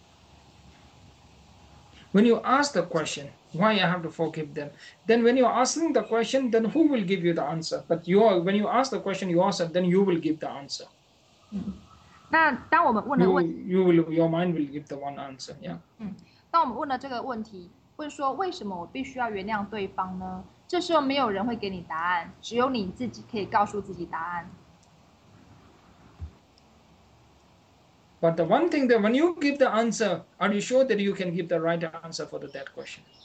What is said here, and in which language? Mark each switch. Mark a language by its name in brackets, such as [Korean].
[English] you ask the question, why I have to forgive them? Then when you are asking the question, then who will give you the answer? But you are when you ask the question yourself, then you will give the answer. [Chinese] 那当我们问了问，当我们问了这个问题，问说为什么我必须要原谅对方呢？这时候没有人会给你答案，只有你自己可以告诉自己答案。But [English] the one thing that when you give the answer, are you sure that you can give the right answer for that question?